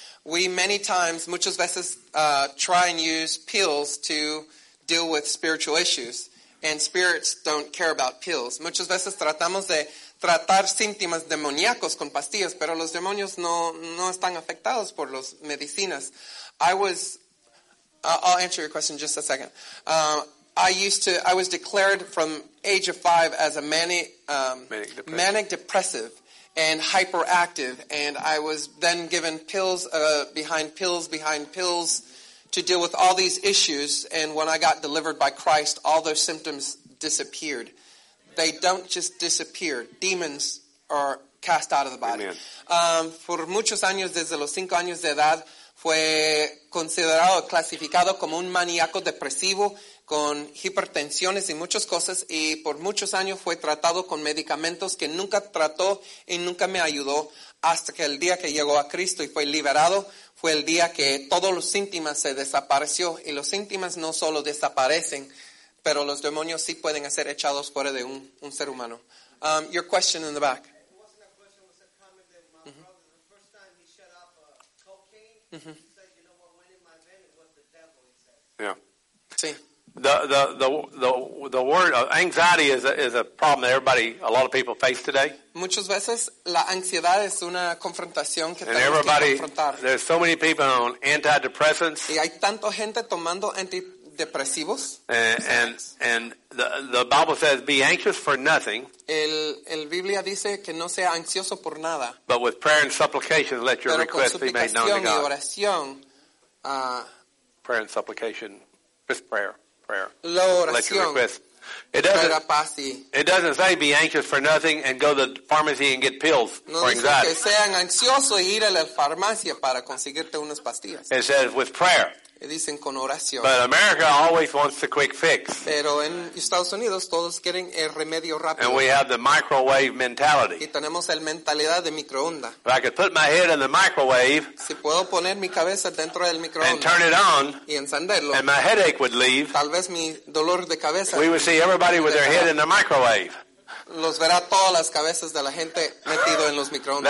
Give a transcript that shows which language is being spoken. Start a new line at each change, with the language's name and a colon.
English: We many times,
Spanish: muchas veces,
English: try and use pills to deal with spiritual issues, and spirits don't care about pills.
Spanish: Muchas veces tratamos de tratar síntomas demoníacos con pastillas, pero los demonios no están afectados por las medicinas.
English: I'll answer your question in just a second. I was declared from age of 5 as a manic depressive and hyperactive, and I was then given pills behind pills to deal with all these issues, and when I got delivered by Christ, all those symptoms disappeared. They don't just disappear. Demons are cast out of the body.
Spanish: Por muchos años, desde los 5 años de edad, fue considerado, clasificado como un maníaco depresivo con hipertensiones y muchas cosas, y por muchos años fue tratado con medicamentos que nunca trató y nunca me ayudó, hasta que el día que llegó a Cristo y fue liberado, fue el día que todos los síntomas se desapareció. Y los síntomas no solo desaparecen, pero los demonios sí pueden ser echados fuera de un ser humano.
English: Your question in the back. It wasn't a question, it was a comment that my brother, the first time he shut up cocaine, he said, you know what went in my vein, it was the devil, he said. Yeah.
Spanish: Sí.
English: The word of anxiety is a problem that everybody, a lot of people face today.
Spanish: Muchas veces la ansiedad es una confrontación que tenemos que enfrentar.
English: There's so many people on antidepressants.
Spanish: Y hay tanto gente tomando antidepresivos.
English: And the Bible says, "Be anxious for nothing."
Spanish: El Biblia dice que no sea ansioso por nada.
English: But with prayer and supplication, let your requests be made known to God.
Spanish: Y oración,
English: prayer and supplication, just prayer.
Spanish: La oración.
English: It doesn't say be anxious for nothing and go to the pharmacy and get pills for anxiety.
Spanish: Que sean ansiosos y ir a la farmacia para conseguirte unas pastillas.
English: It says with prayer.
Spanish: Dicen con oración.
English: But America always wants the quick fix.
Spanish: Pero en Estados Unidos todos quieren el remedio rápido.
English: And we have the microwave mentality.
Spanish: Y tenemos la mentalidad de microonda.
English: If I could put my head in the microwave.
Spanish: Si puedo poner mi cabeza dentro del microondas.
English: And turn it on.
Spanish: Y encenderlo.
English: And my headache would leave.
Spanish: Tal vez mi dolor de cabeza.
English: We would see everybody with their head in the microwave.
Spanish: Los verá todas las cabezas de la gente metido en los microondas.